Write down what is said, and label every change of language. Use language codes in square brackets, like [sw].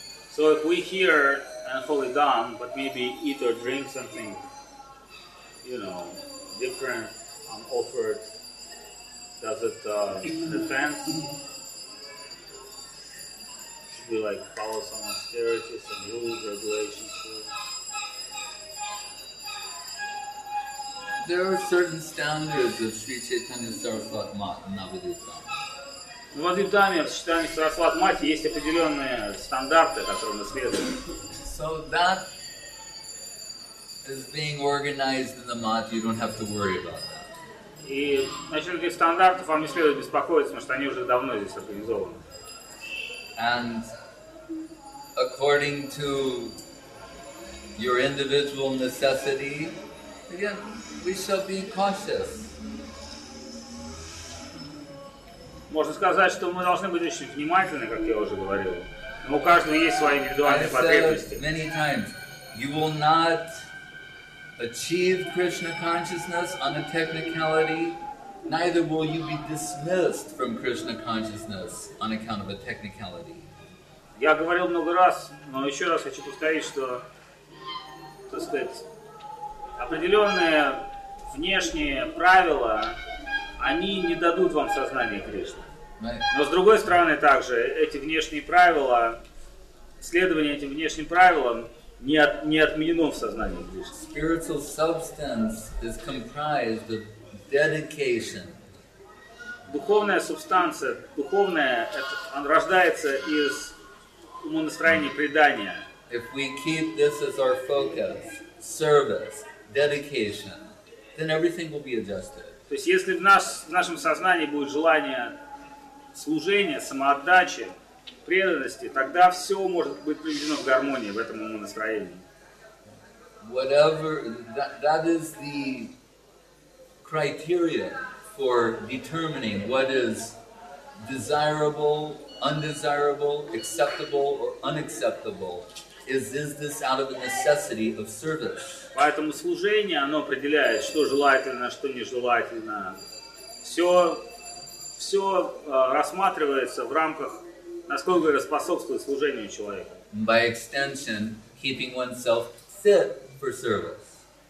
[en] So if we hear an holy dham, but maybe eat or drink something, you know, different, unoffered, does it defense? Should we like follow some austerity, some rules, regulations? There are certain standards of Sri Chaitanya Saraswat Math and Navadvipa. [ru] В Навадвипе, в сочетании с Сарасват Мати, есть определенные стандарты, которым мы следуем. [en] So that is being organized in the mat, you don't have to worry about that. [ru] И насчет этих стандартов вам не следует беспокоиться, потому что они уже давно здесь организованы. [en] And according to your individual necessity, again, we shall be cautious. [ru] Можно сказать, что мы должны быть очень внимательны, как я уже говорил. Но у каждого есть свои индивидуальные потребности. [en] Many times, you will not achieve Krishna consciousness on a technicality, neither will you be dismissed from Krishna consciousness on account of a technicality. [ru] Я говорил много раз, но еще раз хочу повторить, что, так сказать, определенные внешние правила, они не дадут вам сознание Кришны. Но с другой стороны также эти внешние правила, следование этим внешним правилам не отменено в сознании Кришны. [en] Spiritual substance is comprised of dedication. [ru] Духовная субстанция, духовное, это рождается из умонастроения предания. [en] If we keep this as our focus, service, dedication, then everything will be adjusted. [ru] То есть если в нашем сознании будет желание служения, самоотдачи, преданности, тогда все может быть приведено в гармонии в этом умонастроении. [en] Whatever that is the criteria for determining what is desirable, undesirable, acceptable or unacceptable. Is this out of the necessity of service? [ru] Поэтому служение, оно определяет, что желательно, что нежелательно. Все рассматривается в рамках, насколько это способствует служению человека. [en] By extension, keeping oneself fit for service.